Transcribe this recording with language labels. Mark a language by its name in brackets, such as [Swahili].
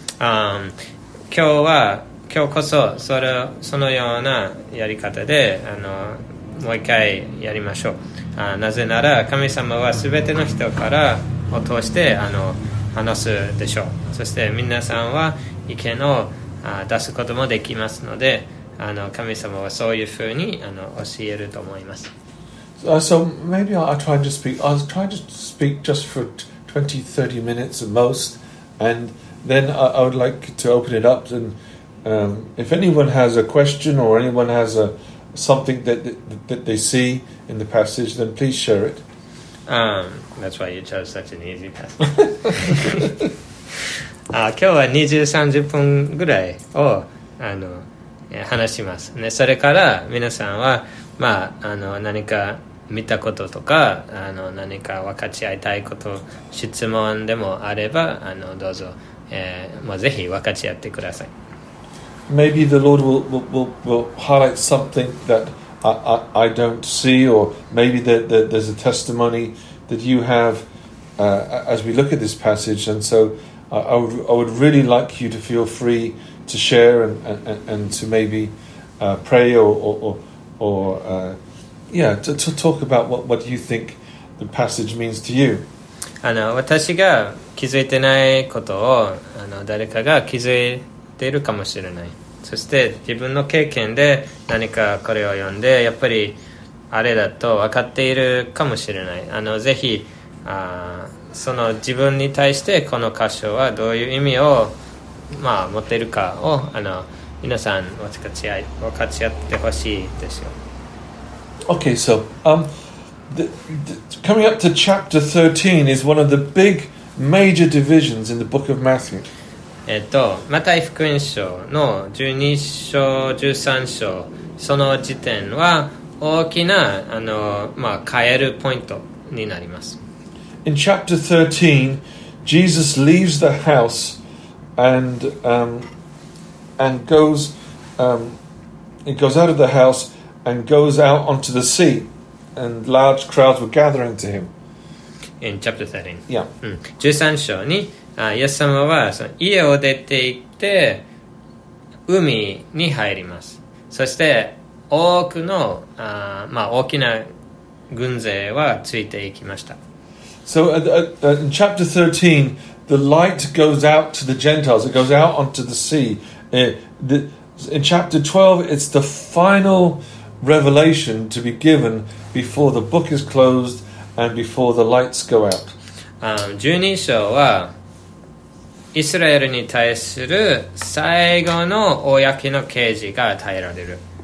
[Japanese] 今日は今日こそそのようなやり方でもう一回やりましょう。なぜなら神様はすべての人からを通して話すでしょう。そして皆さんは意見を出すこともできますので、神様はそういうふうに教えると思います。 [English] So maybe I'll try to speak just for 20-30 minutes at most, and then I would like to open it up, and if anyone has a question or anyone has a something that they see in the passage, then please share it. That's why you chose such an easy passage. [Japanese] 今日は20-30分ぐらいを話します。で、それから皆さんは何か見たこととか何か分かち合いたいこと、質問でもあればどうぞ、もうぜひ分かち合ってください。 [English] Maybe the Lord will highlight something that I don't see, or maybe there's a testimony that you have as we look at this passage, and so I would really like you to feel free to share and to maybe pray to talk about what you think the passage means to you. [Japanese] 私が気づいてないことを誰かが気づいているかもしれない。そして自分の経験で何かこれを読んで、やっぱりあれだと分かっているかもしれない。ぜひ、その自分に対してこの箇所はどういう意味を、持っているかを皆さん分かち合ってほしいですよ。 [English] Okay, so the coming up to chapter 13 is one of the big major divisions in the book of Matthew. [Japanese] マタイ福音書の12章13章、その時点は大きな変えるポイントになります。 [English] In chapter 13, Jesus leaves the house and goes out of the house and goes out onto the sea, and large crowds were gathering to him. In chapter 13. Yeah. [Japanese] 13章に、イエス様は家を出てって海に入ります。そして多くの、まあ、大きな軍勢はついていきました。 [English] So in chapter 13 the light goes out to the Gentiles, it goes out onto the sea. In chapter 12 it's the final revelation to be given before the book is closed and before the lights go out. [Japanese] 12章はイスラエルに対する最後の公の啓示が与えられる。